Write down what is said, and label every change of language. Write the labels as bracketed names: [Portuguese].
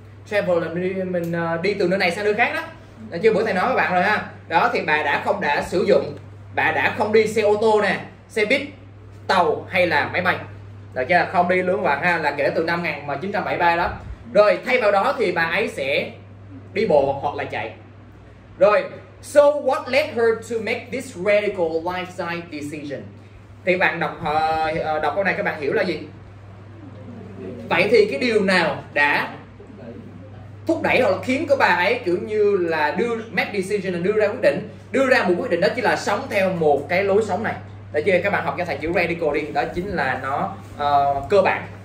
[Vietnamese] Travel là mình đi từ nơi này sang nơi khác đó. Được chưa? Bữa thầy nói với bạn rồi ha. Đó thì bà đã không đã sử dụng, bà đã không đi xe ô tô nè, xe buýt, tàu hay là máy bay. Được chưa? Không đi luôn các bạn ha, là kể từ năm 1973 đó. Rồi thay vào đó thì bà ấy sẽ đi bộ hoặc là chạy. [English] Rồi, so what led her to make this radical lifestyle decision? [Vietnamese] Thì bạn đọc đọc câu này các bạn hiểu là gì? Vậy thì cái điều nào đã thúc đẩy hoặc là khiến cái bà ấy kiểu như là đưa [English] make decision, [Vietnamese] là đưa ra quyết định, đưa ra một quyết định, đó chính là sống theo một cái lối sống này. Đó chưa? Các bạn học cho thầy chữ radical đi, đó chính là nó cơ bản.